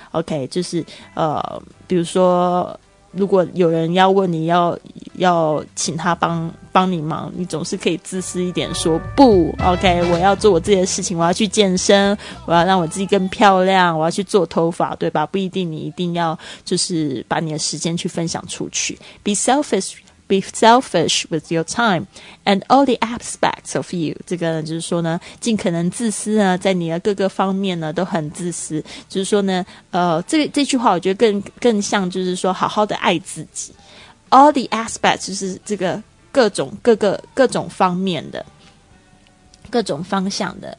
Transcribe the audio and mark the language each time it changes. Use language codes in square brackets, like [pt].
[zh] OK， 就是比如说如果有人要问你要请他帮你忙，你总是可以自私一点说不。 OK， 我要做我自己的事情，我要去健身，我要让我自己更漂亮，我要去做头发，对吧？不一定你一定要就是把你的时间去分享出去。 [en] Be selfish with your time and all the aspects of you. [zh] 这个呢就是说呢，尽可能自私呢，在你的各个方面呢都很自私。就是说呢，这句话我觉得更像就是说好好的爱自己。 All the aspects 就是这个各种方面的，各种方向的。